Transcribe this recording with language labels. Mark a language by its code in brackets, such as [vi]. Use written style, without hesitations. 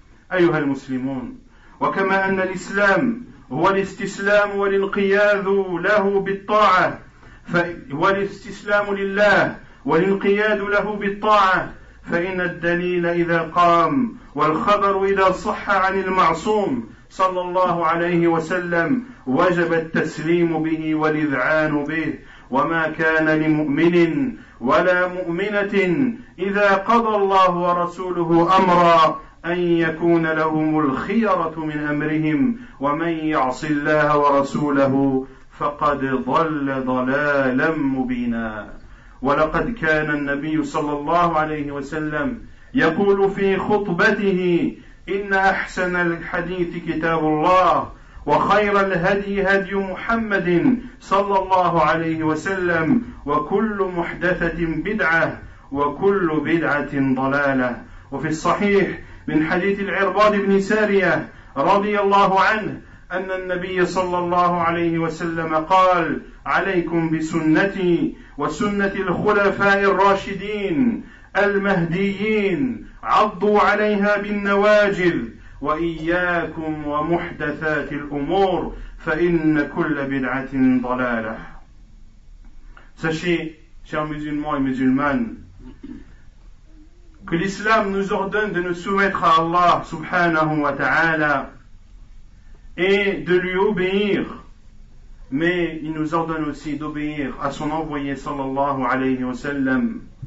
[ar] Ayyuha al-Muslimun, wa kama anna l'islam huwa l'istislam wa l'inqiyadu lahu bit-ta'a, wa l'istislam lillah wa l'inqiyadu lahu bit-ta'a, فإن الدليل إذا قام والخبر إذا صح عن المعصوم صلى الله عليه وسلم وجب التسليم به والإذعان به. وما كان لمؤمن ولا مؤمنة إذا قضى الله ورسوله أمرا أن يكون لهم الخيرة من أمرهم، ومن يعص الله ورسوله فقد ضل ضلالا مبينا. ولقد كان النبي صلى الله عليه وسلم يقول في خطبته: إن أحسن الحديث كتاب الله، وخير الهدي هدي محمد صلى الله عليه وسلم، وكل محدثة بدعة، وكل بدعة ضلالة. وفي الصحيح من حديث العرباض بن سارية رضي الله عنه أن النبي صلى الله عليه وسلم قال: عليكم بسنتي وسنة الخلفاء الراشدين المهديين، عضوا عليها بالنواجذ، وإياكم ومحدثات الأمور، فإن كل بدعة ضلالة. [fr] Sachez, chers musulmans et musulmanes, que l'islam nous ordonne de nous soumettre à Allah [ar] subhanahu wa ta'ala [fr] et de lui obéir, mais il nous ordonne aussi d'obéir à son envoyé [ar] sallallahu alayhi wa sallam.